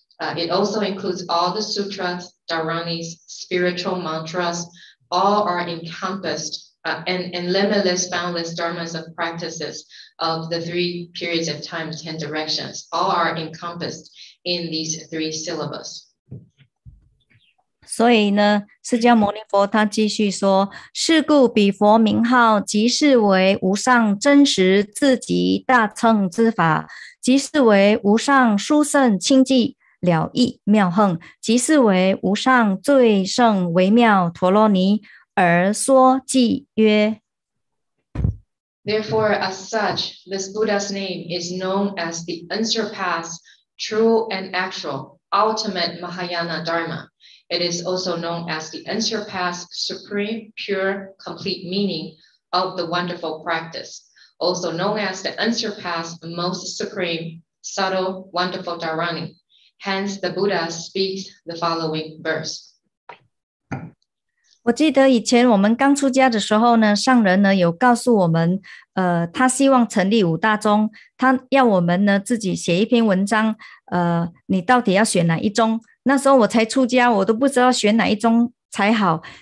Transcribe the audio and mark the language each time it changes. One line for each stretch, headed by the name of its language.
English: It also includes all the sutras, dharanis, spiritual mantras, all are encompassed and limitless, boundless dharmas of practices of the three periods of time, 10 directions, all are encompassed in these three syllables.
Chinese: 所以呢，释迦牟尼佛他继续说：“是故彼佛名号即是为无上真实自极大乘之法，即是为无上殊胜清净了义妙恒，即是为无上最胜微妙陀罗尼，而说偈曰。”
English: Therefore, as such, this Buddha's name is known as the unsurpassed, true and actual ultimate Mahayana Dharma. It is also known as the unsurpassed, supreme, pure, complete meaning of the wonderful practice. Also known as the unsurpassed, most supreme, subtle, wonderful Dharani. Hence, the Buddha speaks the following verse.
Chinese: 我记得以前我们刚出家的时候呢，上人呢有告诉我们，他希望成立五大宗，他要我们呢自己写一篇文章，你到底要选哪一宗？那时候我才出家，我都不知道选哪一宗才好。